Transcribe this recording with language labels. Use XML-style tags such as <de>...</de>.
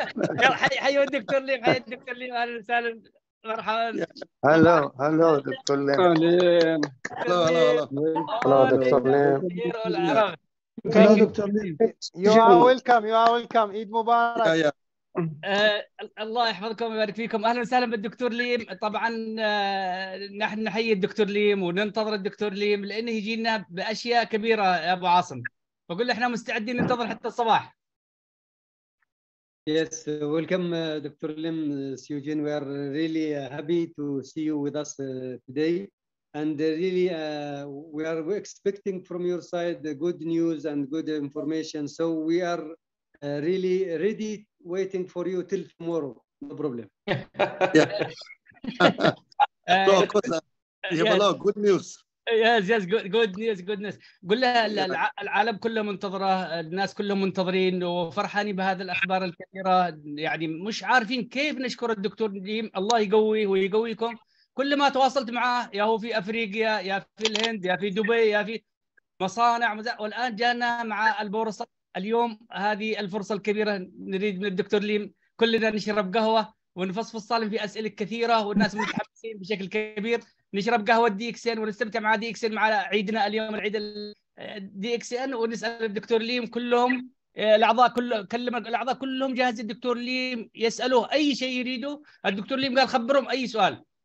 <ar>يلا حيو دكتور ليم، حيو دكتور ليم، أهلا وسهلا مرحبا.</ar> <en>Hello doctor Lim. Hello doctor Lim. Hello doctor Lim. You are welcome. Eid مبارك.</en> <ar>الله يحفظكم ويبارك فيكم، اهلا وسهلا بالدكتور ليم. طبعا نحن نحيي الدكتور ليم وننتظر الدكتور ليم لانه يجينا باشياء كبيره يا ابو عاصم، فقل احنا مستعدين ننتظر حتى الصباح.</ar> <en>Yes, welcome doctor Lim Seojin. We are really happy to see you with us today and really we are expecting from your side the good news and good information, so we are really ready waiting for you till tomorrow, no problem. Yeah. No, of course. You have a lot of good news. Yes, good news.</en> <ar>قل له العالم كله منتظره، الناس كلهم منتظرين وفرحاني بهذا الأخبار الكبيرة، يعني مش عارفين كيف نشكر الدكتور نجيم، الله يقويه ويقويكم. كل ما تواصلت معاه يا هو في أفريقيا يا في الهند يا في دبي يا في مصانع، والآن جانا مع البورصة اليوم، هذه الفرصة الكبيرة، نريد من الدكتور ليم كلنا نشرب قهوة ونفصفص صالح في أسئلة كثيرة والناس متحمسين بشكل كبير، نشرب قهوة دي إكسين ونستمتع مع دي إكسين مع عيدنا اليوم العيد دي إكسين، ونسأل الدكتور ليم كلهم الأعضاء كلهم جاهزين، الدكتور ليم يسأله أي شيء يريده، الدكتور ليم قال خبرهم أي سؤال.</ar>